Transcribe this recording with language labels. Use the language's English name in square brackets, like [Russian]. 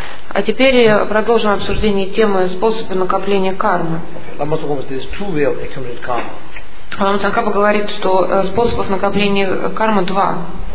[Russian] А теперь продолжим обсуждение темы способы накопления кармы. [English] Lama Tsongkhapa says two ways of accumulating karma. [Russian] Лама Цонкапа говорит, что способов накопления кармы два.